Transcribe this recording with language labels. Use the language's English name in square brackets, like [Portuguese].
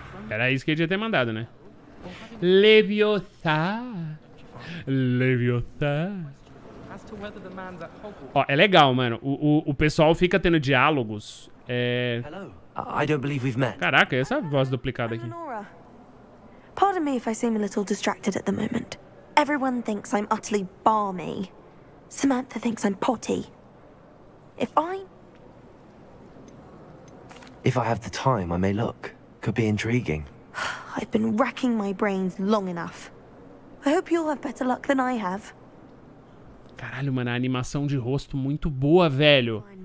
[Portuguese] Era isso que ele devia ter mandado, né? Leviosa. Leviosa. Ó, é legal, mano. O pessoal fica tendo diálogos. É... [English] I don't believe we've met. [Portuguese] Caraca, essa voz duplicada aqui. [English] Pardon me if I seem a little distracted at the moment. Everyone thinks I'm utterly balmy. Samantha thinks I'm potty. If I have the time, I may look. Could be intriguing. I've been racking my brains long enough. I hope you'll have better luck than I have. [Portuguese] Caralho, mano, a animação de rosto muito boa, velho.